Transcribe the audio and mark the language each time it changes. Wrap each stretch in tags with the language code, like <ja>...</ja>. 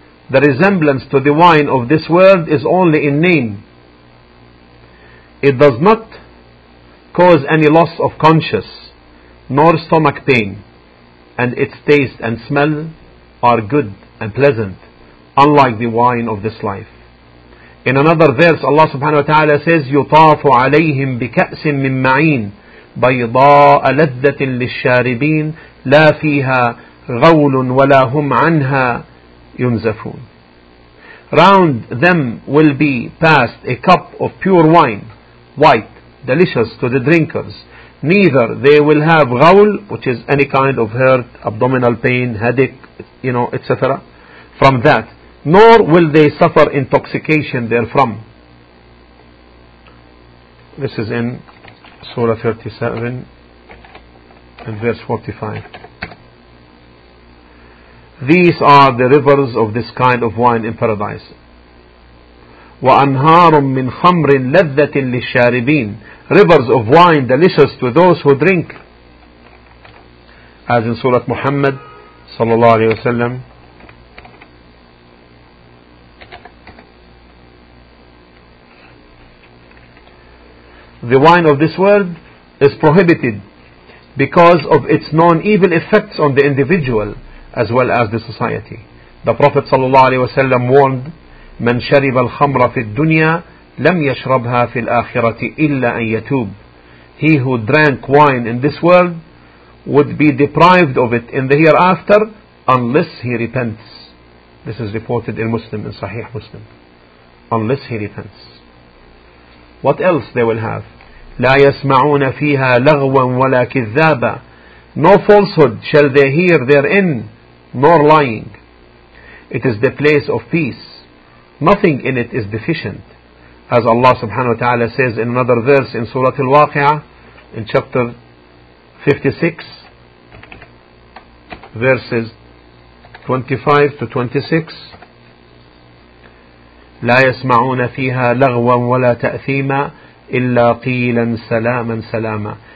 <en>The resemblance to the wine of this world is only in name. It does not cause any loss of conscience, nor stomach pain, and its taste and smell are good and pleasant, unlike the wine of this life. In another verse, Allah subhanahu wa ta'ala says,</en> <ar>يُطَافُ عَلَيْهِمْ بِكَأْسٍ مِّن مَعِينَ بَيْضَاءَ لَذَّةٍ لِلشَّارِبِينَ لَا فِيهَا غَوْلٌ وَلَا هُمْ عَنْهَا يُنزَفُونَ.</ar> <en>Round them will be passed a cup of pure wine, white, delicious to the drinkers. Neither they will have ghawl, which is any kind of hurt, abdominal pain, headache, you know, etc., from that, nor will they suffer intoxication therefrom. This is in Surah 37 and verse 45. These are the rivers of this kind of wine in paradise.</en> <ar>وَأَنْهَارٌ مِّنْ خَمْرٍ لَذَّةٍ لِلشَّارِبِينَ.</ar> <en>Rivers of wine delicious to those who drink. As in Surah Muhammad sallallahu alayhi wa sallam, the wine of this world is prohibited because of its known evil effects on the individual as well as the society. The Prophet sallallahu alayhi wa sallam warned,</en> <ar>من شرب الخمر في الدنيا لم يشربها في الآخرة إلا أن يتوب.</ar> <en>He who drank wine in this world would be deprived of it in the hereafter unless he repents. This is reported in Muslim, in Sahih Muslim. Unless he repents. What else they will have?</en> <ar>لا يسمعون فيها لغوا ولا كذابا.</ar> <en>No falsehood shall they hear therein, nor lying. It is the place of peace. Nothing in it is deficient. As Allah subhanahu wa ta'ala says in another verse in Surah Al-Waqi'ah, in chapter 56, verses 25 to 26,</en> <ar>لا يسمعون فيها لغوا ولا تأثيما إلا قيلا سلاما سلاما.</ar>